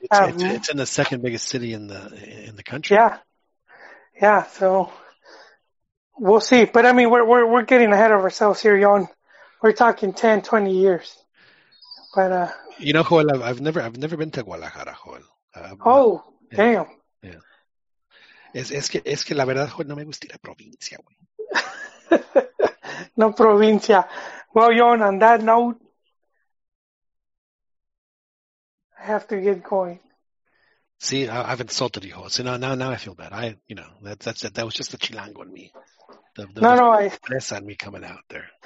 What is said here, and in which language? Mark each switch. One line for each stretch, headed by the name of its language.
English: it's in the second biggest city in the country. Yeah. Yeah, so we'll see. But I mean we're getting ahead of ourselves here, Yon. We're talking 10, 20 years. But you know, Joel, I've never been to Guadalajara, Joel. Damn. Yeah.
Spanish: Es que la verdad, Joel, no me gusta ir a provincia, güey. No provincia.
English: Well, Yon, on that note, I have to get going. See, I've insulted you, Joel. So now I feel bad. That was just the chilango in me. The coming out there.